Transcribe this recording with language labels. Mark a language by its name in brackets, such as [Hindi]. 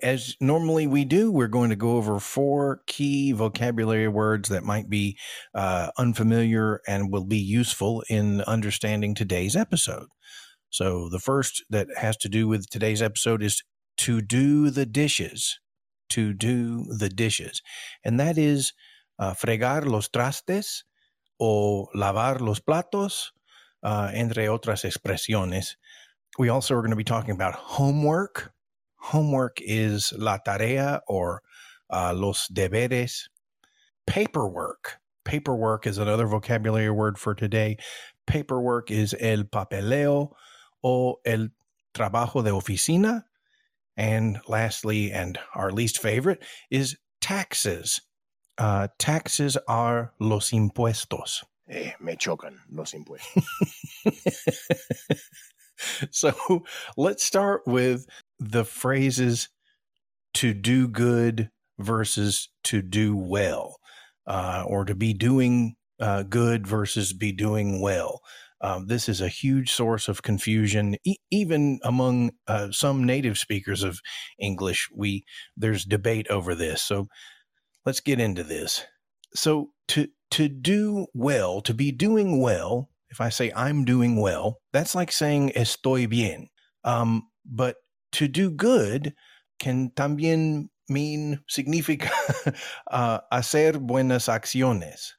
[English] As normally we do, we're going to go over four key vocabulary words that might be unfamiliar and will be useful in understanding today's episode. So the first that has to do with today's episode is to do the dishes, to do the dishes. And that is [Spanish] fregar los trastes o lavar los platos, entre otras expresiones. [English] We also are going to be talking about homework. Homework is [Spanish] la tarea [English] or [Spanish] los deberes. [English] Paperwork. Paperwork is another vocabulary word for today. Paperwork is [Spanish] el papeleo o el trabajo de oficina. [English] And lastly, and our least favorite, is taxes. Taxes are [Spanish] los impuestos. Me chocan los impuestos. [English] So let's start with the phrases to do good versus to do well, or to be doing good versus be doing well. This is a huge source of confusion, even among some native speakers of English. There's debate over this. So let's get into this. So to do well, to be doing well, if I say I'm doing well, that's like saying [Spanish] estoy bien. [English] But to do good can [Spanish] también [English] mean, [Spanish] significa hacer buenas acciones.